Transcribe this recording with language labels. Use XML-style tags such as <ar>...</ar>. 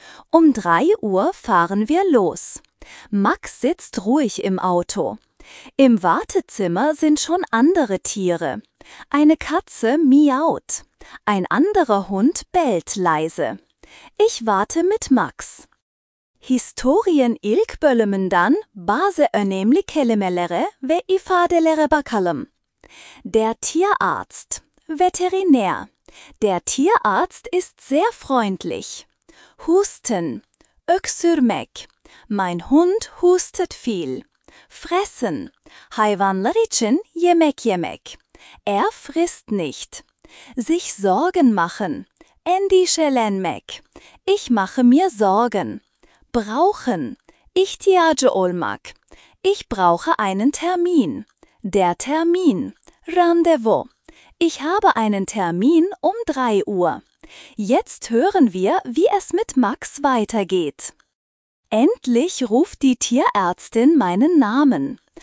<de>Um 3 Uhr fahren wir los. Max sitzt ruhig im Auto. Im Wartezimmer sind schon andere Tiere. Eine Katze miaut. Ein anderer Hund bellt leise. Ich warte mit Max.</de> <tr>Historien ilkbölemen dann, base önemli kelimelere ve ifadelere bakalım.</tr> <de>Der Tierarzt, Veterinär. Der Tierarzt ist sehr freundlich. Husten, öksürmek. Mein Hund hustet viel.</de> <tr>Fressen, hayvanlar için yemek yemek.</tr> <de>Er frisst nicht. Sich Sorgen machen, endişelenmek. Ich mache mir Sorgen. Brauchen,</de> <tr>ihtiyacı olmak.</tr> <de>Ich brauche einen Termin. Der Termin, randevu. Ich habe einen Termin um 3 Uhr. Jetzt hören wir, wie es mit Max weitergeht. Endlich ruft die Tierärztin meinen Namen.</de>